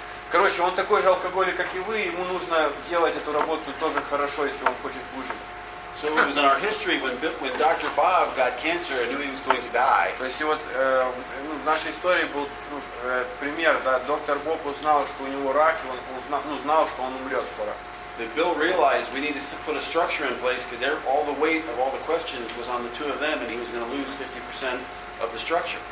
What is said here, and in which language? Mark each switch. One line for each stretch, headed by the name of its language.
Russian: Короче, он такой же алкоголик, как и вы, ему нужно делать эту работу тоже хорошо, если он хочет выжить.
English: So it was in our history when Dr. Bob got cancer and knew he was going to die.
Russian: То есть вот в нашей истории был пример, да, доктор Боб узнал, что у него рак, и он знал, что он умрет скоро.
English: That Bill realized we needed to put a structure in place because all the weight of all the questions was on the two of them and he was going to lose 50% of the structure.